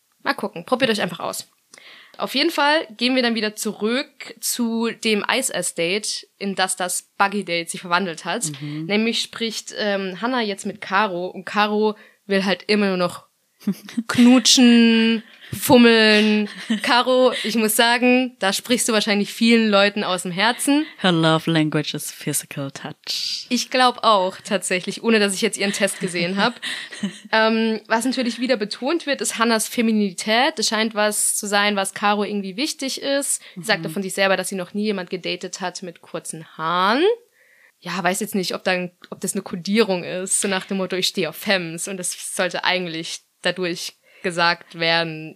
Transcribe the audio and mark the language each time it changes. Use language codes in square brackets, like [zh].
[de] Mal gucken, probiert euch einfach aus. Auf jeden Fall gehen wir dann wieder zurück zu dem Ice-Ass-Date, in das Buggy-Date sich verwandelt hat. Mhm. Nämlich spricht Hannah jetzt mit Caro und Caro will halt immer nur noch knutschen, fummeln. Caro, ich muss sagen, da sprichst du wahrscheinlich vielen Leuten aus dem Herzen. [en] Her love language is physical touch. [de] Ich glaube auch tatsächlich, ohne dass ich jetzt ihren Test gesehen habe. Was natürlich wieder betont wird, ist Hannas Femininität. Das scheint was zu sein, was Caro irgendwie wichtig ist. Sie sagte von sich selber, dass sie noch nie jemand gedatet hat mit kurzen Haaren. Ja, weiß jetzt nicht, ob das eine Kodierung ist, so nach dem Motto, ich stehe auf Femmes und das sollte eigentlich dadurch gesagt werden.